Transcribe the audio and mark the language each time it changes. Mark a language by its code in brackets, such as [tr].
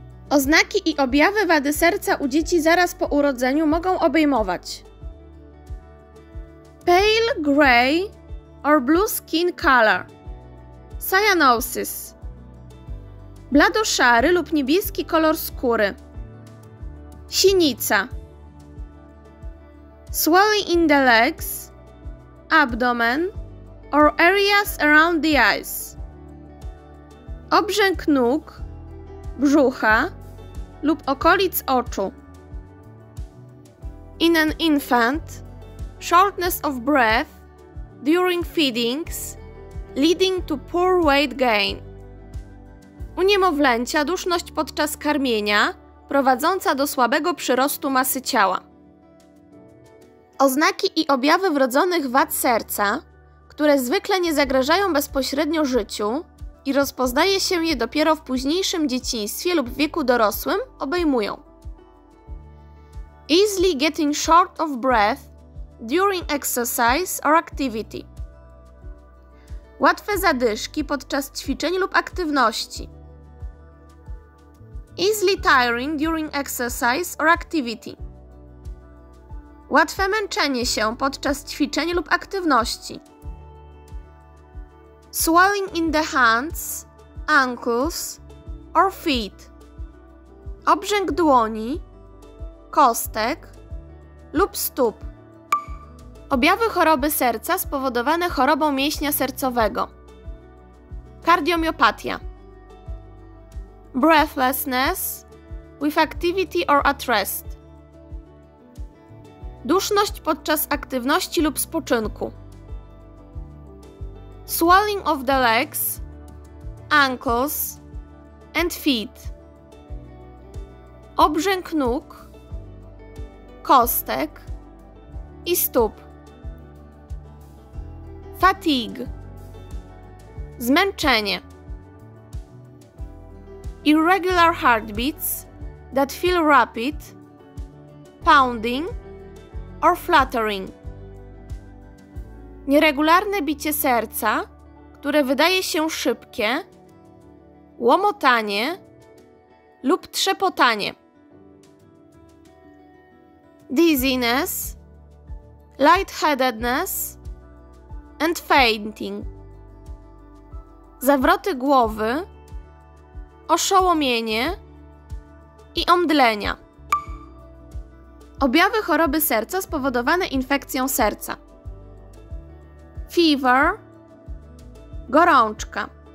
[pl] Oznaki i objawy wady serca u dzieci zaraz po urodzeniu mogą obejmować pale gray or blue skin color. Cyanosis. Bladoszary lub niebieski kolor skóry. Sinica. [en] Swelling in the legs, abdomen or areas around the eyes. [pl] Obrzęk nóg, brzucha lub okolic oczu. [en] In an infant, shortness of breath during feedings leading to poor weight gain. [pl] U niemowlęcia duszność podczas karmienia, prowadząca do słabego przyrostu masy ciała. Oznaki i objawy wrodzonych wad serca, które zwykle nie zagrażają bezpośrednio życiu i rozpoznaje się je dopiero w późniejszym dzieciństwie lub wieku dorosłym, obejmują [en] easily getting short of breath during exercise or activity. [pl] Łatwe zadyszki podczas ćwiczeń lub aktywności. [en] Easily tiring during exercise or activity. [pl] Łatwe męczenie się podczas ćwiczeń lub aktywności. [en] Swelling in the hands, ankles or feet. [pl] Obrzęk dłoni, kostek lub stóp. Objawy choroby serca spowodowane chorobą mięśnia sercowego. Kardiomiopatia. [en] Breathlessness with activity or at rest. [pl] Duszność podczas aktywności lub spoczynku. [en] Swelling of the legs, ankles and feet. [pl] Obrzęk nóg, kostek i stóp. [en] Fatigue. Zmęczenie. Irregular heartbeats that feel rapid, pounding or fluttering. [pl] Nieregularne bicie serca, które wydaje się szybkie, łomotanie lub trzepotanie. [en] Dizziness, lightheadedness and fainting. [pl] Zawroty głowy, oszołomienie i omdlenia. Objawy choroby serca spowodowane infekcją serca. Fever, gorączka.